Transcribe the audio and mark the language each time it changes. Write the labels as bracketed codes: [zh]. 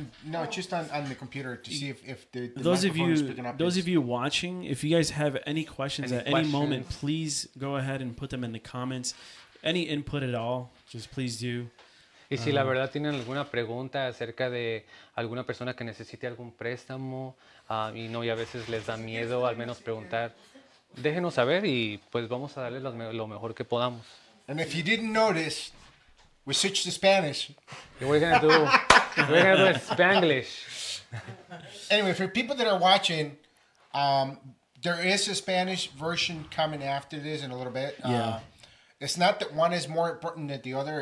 [en] No, just on the computer to see if the those of you picking up those of you watching. If you guys have any questions any moment, please go ahead and put them in the comments. Any input at all, just please do. [es] Y si la verdad tienen alguna pregunta acerca de alguna persona que necesite algún préstamo y a veces les da miedo al menos preguntar, déjenos saber y pues vamos a darle lo mejor que podamos. [en] And if you didn't notice, we switched to Spanish. We're gonna do it Spanglish. Anyway, for people that are watching, there is a Spanish version coming after this in a little bit. Yeah. It's not that one is more important than the other.